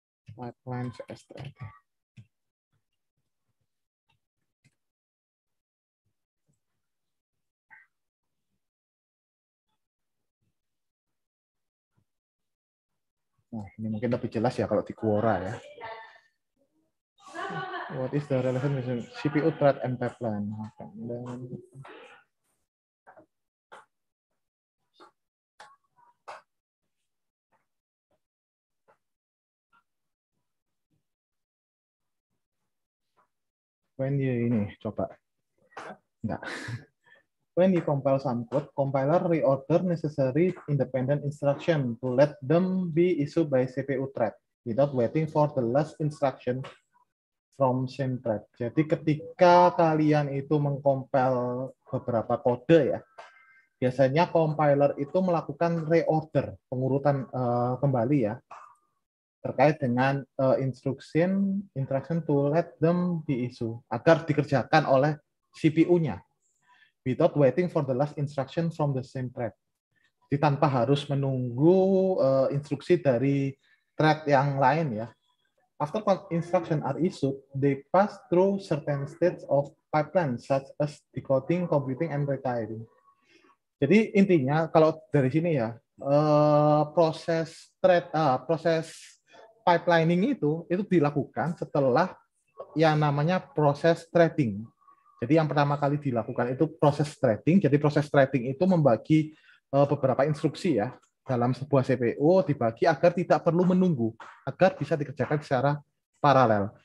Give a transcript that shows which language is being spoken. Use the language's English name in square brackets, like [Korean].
[English] Pipeline vs trading. [Indonesian] Nah, ini mungkin lebih jelas ya kalau di Quora ya. [English] What is the relation between CPU thread and pipeline? Okay. Then... When you [Indonesian] ini coba, enggak. [English] When you compile some code, compiler reorder necessary independent instruction to let them be issued by CPU thread without waiting for the last instruction from same thread. [Indonesian] Jadi ketika kalian itu mengcompile beberapa kode ya, biasanya compiler itu melakukan reorder pengurutan kembali ya. terkait dengan [English] instruction to let them be issued [Indonesian] agar dikerjakan oleh CPU-nya [English] without waiting for the last instruction from the same thread. [Indonesian] Jadi tanpa harus menunggu instruksi dari thread yang lain ya. [English] After instruction are issued, they pass through certain states of pipeline such as decoding, computing, and retrieving. [Indonesian] Jadi intinya kalau dari sini ya, proses thread proses pipelining itu dilakukan setelah yang namanya proses threading. Jadi yang pertama kali dilakukan itu proses threading. Jadi proses threading itu membagi beberapa instruksi ya dalam sebuah CPU dibagi agar tidak perlu menunggu, agar bisa dikerjakan secara paralel.